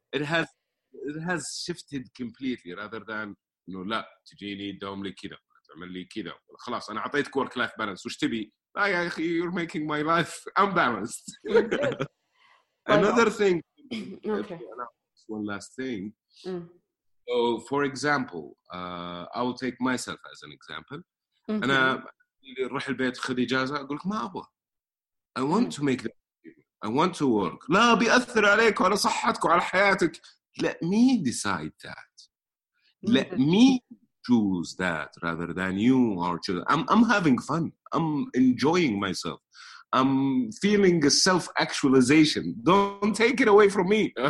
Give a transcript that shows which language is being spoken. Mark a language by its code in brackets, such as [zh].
[en] it has shifted completely rather than [ar] انه لا تجيني تداوم لي كذا تعمل لي كذا خلاص انا اعطيتك ورك لايف بالانس وش تبي لا يا اخي [en] Your making my life unbalanced another thing okay. One last thing. So, for example, I will take myself as an example. [ar] أنا رح البيت خذي إجازة أقول لك ما أبغى. [en] I want to make the I want to work. [ar] لا بيأثر عليك وعلى صحتك وعلى حياتك. [en] Let me decide that. Let me choose that rather than you or children. I'm having fun. I'm enjoying myself. I'm feeling a self-actualization. Don't take it away from me.